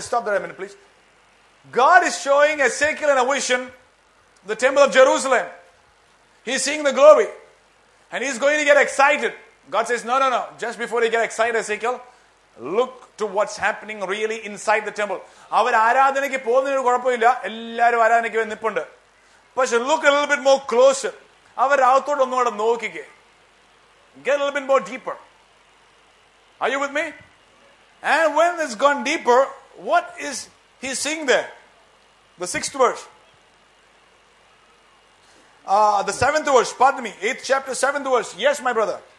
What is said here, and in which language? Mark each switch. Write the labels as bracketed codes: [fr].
[en] Stop there a minute, please. God is showing Ezekiel in a vision the temple of Jerusalem. He's seeing the glory. And he's going to get excited. God says, no, no, no. Just before you get excited, Ezekiel, look to what's happening really inside the temple. [ml] അവർ ആരാധനയ്ക്ക് പോകുന്നതിന് കുഴപ്പമില്ല. എല്ലാവരും ആരാധനയ്ക്ക് വേണ്ടി നിൽപ്പുണ്ട്. [en] പക്ഷെ look a little bit more closer. [ml] അവർ അകത്തോട്ട് ഒന്നുകൂടെ നോക്കിക്ക്. [en] Get a little bit more deeper. Are you with me? And when it's gone deeper, what is he seeing there? The 6th verse. The 7th verse, pardon me. 8th chapter, 7th verse. Yes, my brother.